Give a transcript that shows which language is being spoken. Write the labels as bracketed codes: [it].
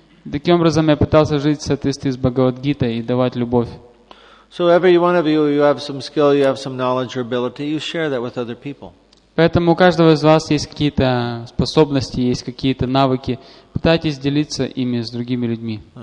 [ru] Таким образом я пытался жить в соответствии с Бхагавад-гитой и давать любовь. [en] So every one of you have some skill, you have some knowledge or ability, you share that with other people. [ru] Поэтому у каждого из вас есть какие-то способности, есть какие-то навыки. Пытайтесь делиться ими с другими людьми.